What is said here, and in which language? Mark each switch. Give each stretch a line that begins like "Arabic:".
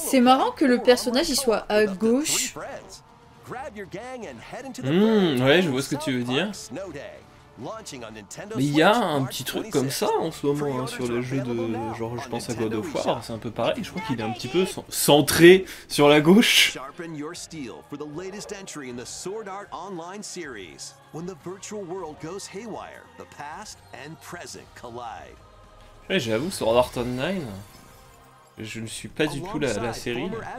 French: C'est marrant que le personnage il soit à gauche.
English: Grab your gang and head into the
French: ouais, je vois ce que tu veux dire. Snow Day. Mais il y a un petit truc comme ça en ce moment hein, sur les jeux de genre je pense à God of War, c'est un peu pareil, je crois qu'il est un petit peu centré sur la gauche.
English: Sharpen your steel for the latest entry in the Sword Art Online series. When the virtual world goes haywire, the past and present collide.
French: Ouais, j'avoue, Sword Art Online, je ne suis pas du tout la série.